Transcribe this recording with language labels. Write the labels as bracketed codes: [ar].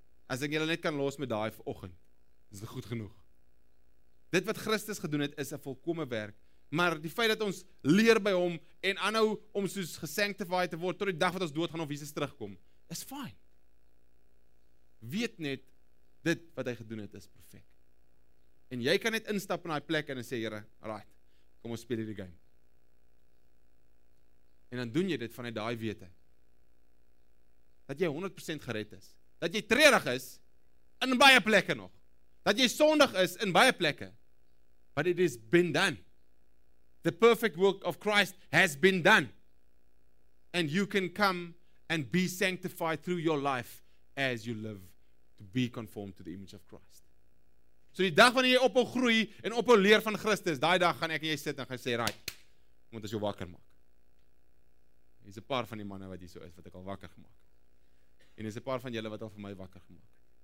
[af] As ek julle net kan los met daai vanoggend, is dit goed genoeg. Dit wat Christus gedoen het, is 'n volkomme werk. Maar die feit dat ons leer by hom en aanhou om soos gesanctified te word tot die dag wat ons doodgaan of Jesus terugkom, is fyn. Weet net, dit wat hy gedoen het is perfek. En jy kan net instap in daai plek en sê, Here, right, kom ons speel hierdie game. En dan doen jy dit vanuit daai wete. Dat jy 100% gered is. Dat jy treurig is in baie plekke nog. Dat jy sondig is in baie plekke. [en] But it has been done. The perfect work of Christ has been done. And you can come and be sanctified through your life as you live to be conformed to the image of Christ. [af] So die dag wanneer jy ophou groei en ophou leer van Christus, daai dag gaan ek en jy sit en gaan sê, "Right, moet ons jou wakker maak." Hier's 'n paar van die manne wat hier so is wat ek al wakker gemaak het. En hier's 'n paar van julle wat al vir my wakker gemaak het.